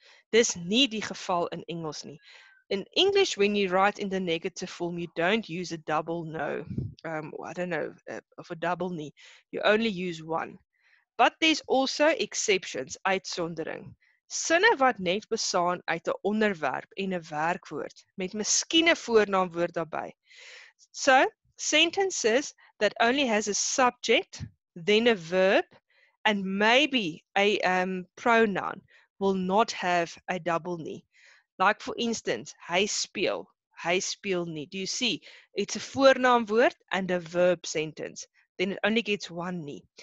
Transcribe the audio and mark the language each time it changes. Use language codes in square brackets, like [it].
[af] Dis nie die geval in Engels nie. [en] In English, when you write in the negative form, you don't use a double no. Of a double nie. You only use one. But there's also exceptions, uitsondering. [af] Sinne wat net bestaan uit 'n onderwerp en 'n werkwoord, met miskien 'n voornaamwoord daarby. [en] So, sentences that only has a subject, then a verb, and maybe a pronoun will not have a double nie. Like for instance, [af] hy speel nie. [en] Do you see? It's a voornaamwoord and a verb sentence. Then it only gets one nie.